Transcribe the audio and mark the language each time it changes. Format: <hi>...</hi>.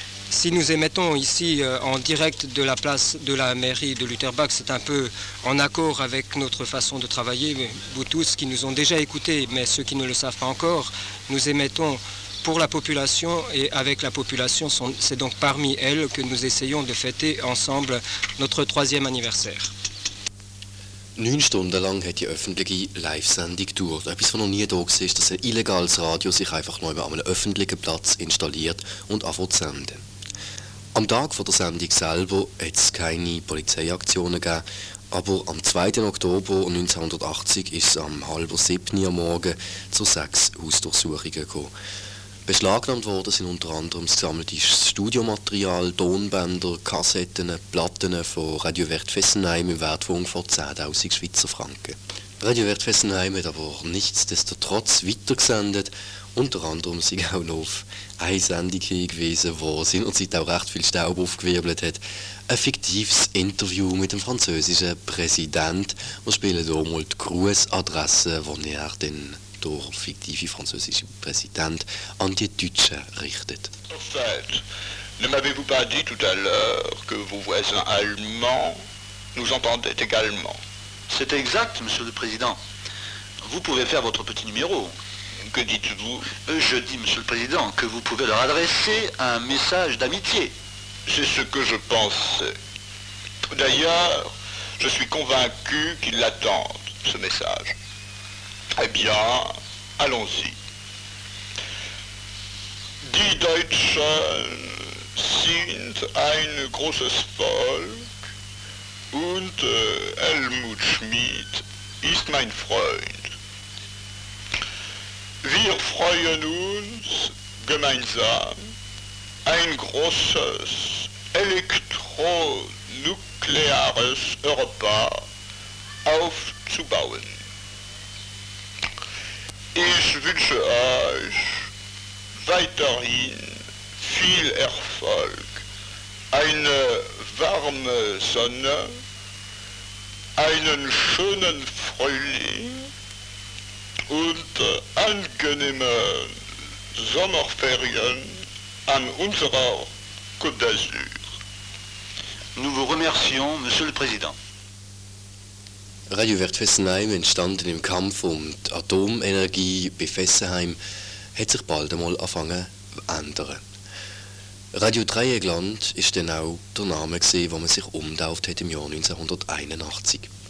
<fr>Si nous émettons ici en direct de la place de la mairie de Lutherbach, c'est un peu en accord avec notre façon de travailler. Vous tous qui nous ont déjà écoutés, mais ceux qui ne le savent pas encore, nous émettons pour la population et avec la population, c'est donc parmi elles que nous essayons de fêter ensemble notre 3e anniversaire.</fr> <de>9 Stunden lang hat die öffentliche Live-Sendung gedauert. Etwas, was noch nie da war, dass ein illegales Radio sich einfach nur an einem öffentlichen Platz installiert und anfängt zu senden. Am Tag der Sendung selber hat es keine Polizeiaktionen gegeben, aber am 2. Oktober 1980 ist es am 6:30 am Morgen zu 6 Hausdurchsuchungen gekommen. Beschlagnahmt worden sind unter anderem das gesammelte Studiomaterial, Tonbänder, Kassetten, Platten von Radio Wert Fessenheim im Wert von ungefähr 10'000 Schweizer Franken. Radio Wert Fessenheim hat aber nichtsdestotrotz weitergesendet. Unter anderem sind auch noch auf eine Sendung gewesen, wo seinerzeit auch recht viel Staub aufgewirbelt hat. Ein fiktives Interview mit dem französischen Präsident. Wir spielen hier mal die Grußadresse, die er dann durch fiktive französische Präsident an die Deutschen richtet.</de> <fr>En fait, ne m'avez-vous pas dit tout à l'heure que vos voisins allemands nous entendaient également? C'est exact, monsieur le président. Vous pouvez faire votre petit numéro. Que dites-vous? Je dis, monsieur le président, que vous pouvez leur adresser un message d'amitié. C'est ce que je pense. D'ailleurs, je suis convaincu qu'ils l'attendent, ce message. Eh bien, allons-y.</fr> <de>Die Deutschen sind eine große Volk und Helmut Schmidt ist mein Freund. Wir freuen uns gemeinsam ein großes elektronukleares Europa aufzubauen. Ich wünsche euch weiterhin viel Erfolg, eine warme Sonne, einen schönen Frühling und angenehme Sommerferien an unserer Côte d'Azur.</de> <fr>Nous vous remercions, Monsieur le Président.</fr> <de>Radio Wert Fessenheim, entstanden im Kampf um die Atomenergie bei Fessenheim, hat sich bald einmal angefangen zu ändern. Radio Dreieckland ist dann auch der Name gewesen, wo man sich umtauft hat im Jahr 1981.</de>